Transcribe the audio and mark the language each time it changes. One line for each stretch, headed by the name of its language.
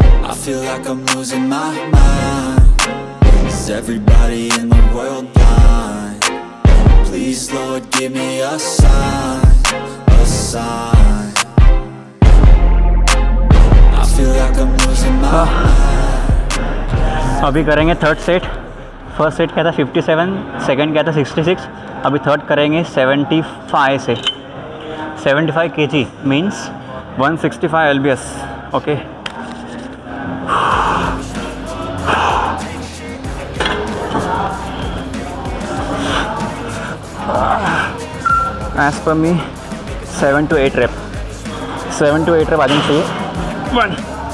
English: I feel like I'm losing my mind. Is everybody in the world blind? Please, Lord, give me a sign, a sign. I feel like I'm losing my mind.
Hindi: अभी करेंगे third set. First set क्या था 57, second क्या था 66, अभी third करेंगे 75 से। 75 kg means 165 lbs।
English: okay as per me 7 to 8 reps, 7 to 8 reps
Hindi: आ जाने चाहिए।